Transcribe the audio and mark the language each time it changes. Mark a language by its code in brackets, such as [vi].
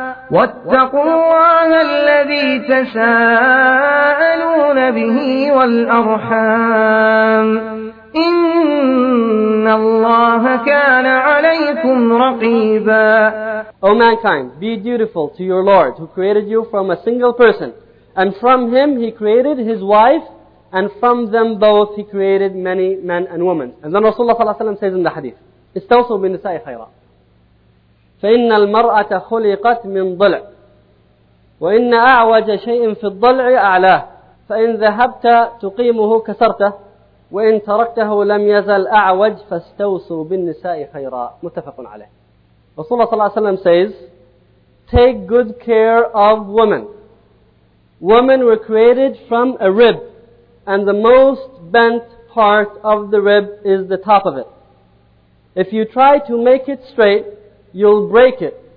[ar] واتقوا الله الذي تساءلون به والأرحام إن الله كان عليكم رقيبا. [en] O mankind, be dutiful to your Lord who created you from a single person. And from him he created his wife, and from them both he created many men and women. And then Rasulullah ﷺ says in the hadith, [ar] استوصوا بالنساء خيرا. فإن المرأة خلقت من ضلع. وإن أعوج شيء في الضلع أعلاه. فإن ذهبت تقيمه كسرته. وإن تركته لم يزل أعوج فاستوصوا بالنساء خيرا. متفق عليه. [en] Rasulullah ﷺ says, take good care of women. Women were created from a rib, and the most bent part of the rib is the top of it. If you try to make it straight, you'll break it.